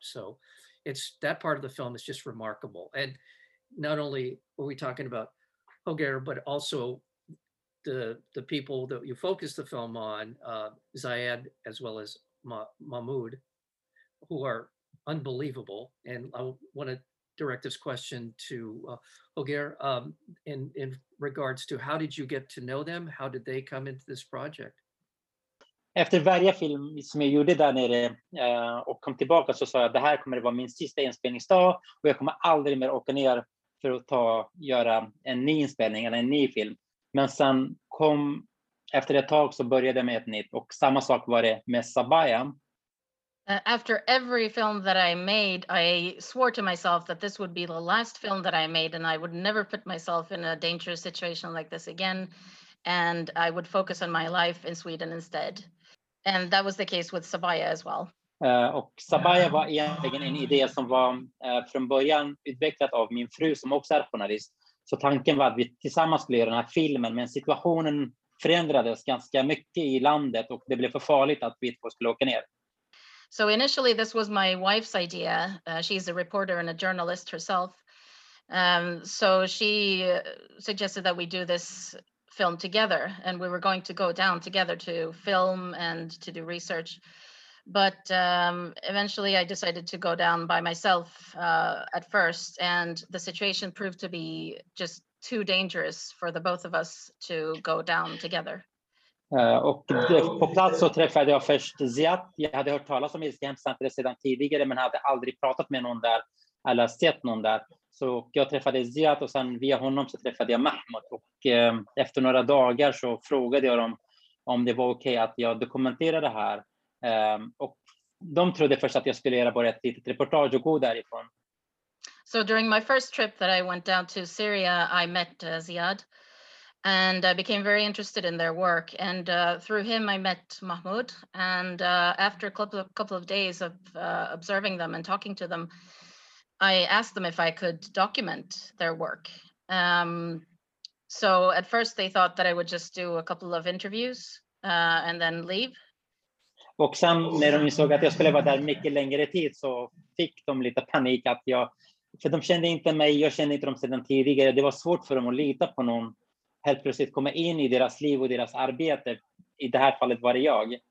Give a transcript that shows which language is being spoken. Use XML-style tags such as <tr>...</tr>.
<en>So it's that part of the film is just remarkable. And not only are we talking about Holger, but also the people that you focus the film on, Ziad, as well as Mahmoud, who are unbelievable. And I want to direct this question to Holger in regards to how did you get to know them? How did they come into this project?</en> <sv>Efter varje film som jag gjorde där nere och kom tillbaka så sa jag att det här kommer att vara min sista inspelningsdag och jag kommer aldrig mer åka ner för att göra en ny inspelning eller en ny film. Men sen kom efter ett tag så började med ett nytt och samma sak var det med Sabaya.</sv> <en>After every film that I made, I swore to myself that this would be the last film that I made and I would never put myself in a dangerous situation like this again. And I would focus on my life in Sweden instead. And that was the case with Sabaya as well.</en> <sv>Och Sabaya var egentligen en idé som var från början utvecklat av min fru som också är journalist. Så tanken var att vi tillsammans skulle göra den här filmen, men situationen förändrades ganska mycket I landet och det blev för farligt att vi två skulle åka ner.</sv> <en>So initially this was my wife's idea. She's a reporter and a journalist herself. So she suggested that we do this film together and we were going to go down together to film and to do research. But eventually I decided to go down by myself at first and the situation proved to be just too dangerous for the both of us to go down together.</en> <sv>Och på plats så träffade jag först Ziad. Jag hade hört talas om ilskehemscentret sedan tidigare men hade aldrig pratat med någon där eller sett någon där. Så jag träffade Ziad och sen via honom så träffade jag Mahmoud. Och efter några dagar så frågade jag dem om det var okej att jag dokumenterade det här. Och de trodde först att jag skulle göra bara ett litet reportage och gå därifrån.</sv> <en>So during my first trip that I went down to Syria, I met Ziad and I became very interested in their work. And through him, I met Mahmoud. And after a couple of days of observing them and talking to them, I asked them if I could document their work. So at first they thought that I would just do a couple of interviews and then leave.</en> <sv>Och sen när de såg att jag skulle vara där mycket längre tid så fick de lite panik att jag... För de kände inte mig, jag kände inte dem sedan tidigare. Det var svårt för dem att lita på någon. Helt plötsligt komma in I deras liv och deras arbete. I det här fallet var det jag.</sv>